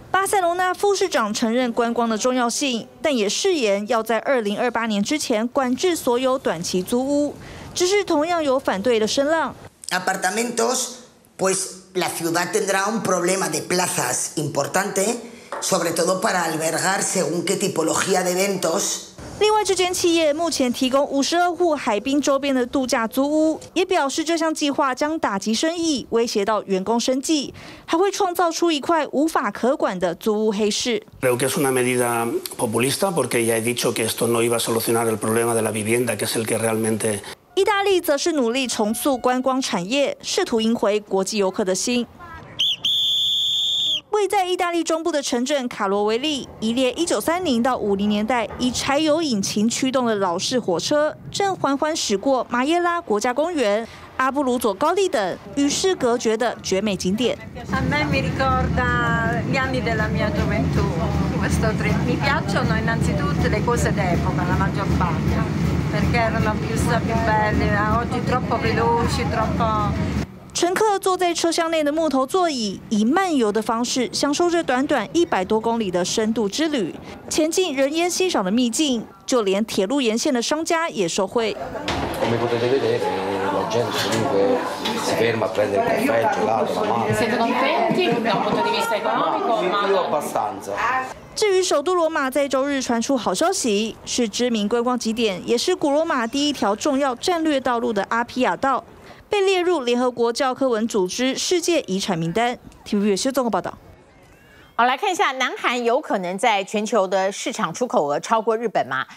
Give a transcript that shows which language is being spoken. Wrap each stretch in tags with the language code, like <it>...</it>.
<zh>巴塞隆纳副市长承认观光的重要性，但也誓言要在2028年之前管制所有短期租屋。只是同样有反对的声浪。</zh> <es>Apartamentos, pues la ciudad tendrá un problema de plazas importante, sobre todo para albergar según qué tipología de eventos。</es> <zh>另外，这间企业目前提供52户海滨周边的度假租屋，也表示这项计划将打击生意，威胁到员工生计，还会创造出一块无法可管的租屋黑市。</zh> <es>Creo que es una medida populista, porque ya he dicho que esto no iba a solucionar el problema de la vivienda, que es el que realmente。</es> <zh>意大利则是努力重塑观光产业，试图赢回国际游客的心。位在意大利中部的城镇卡罗维利，一列1930到50年代以柴油引擎驱动的老式火车，正缓缓驶过马耶拉国家公园、阿布鲁佐高地等与世隔绝的绝美景点。</zh> <it>A me mi ricorda gli anni della mia gioventù. Questo treno mi piacciono innanzitutto le cose d'epoca, la maggior parte.</it> <zh>乘客坐在车厢内的木头座椅，以漫游的方式享受着短短100多公里的深度之旅，前进人烟稀少的秘境，就连铁路沿线的商家也受惠。</zh> <it>Si ferma a prendere il caffè, il gelato, la mano. Siete contenti da un punto di vista economico? Io abbastanza.</it> <zh>至于首都罗马在周日传出好消息，是知名观光景点，也是古罗马第一条重要战略道路的阿皮亚道，被列入联合国教科文组织世界遗产名单。 TVBS 新闻报道。好，来看一下，南韩有可能在全球的市场出口额超过日本吗？</zh>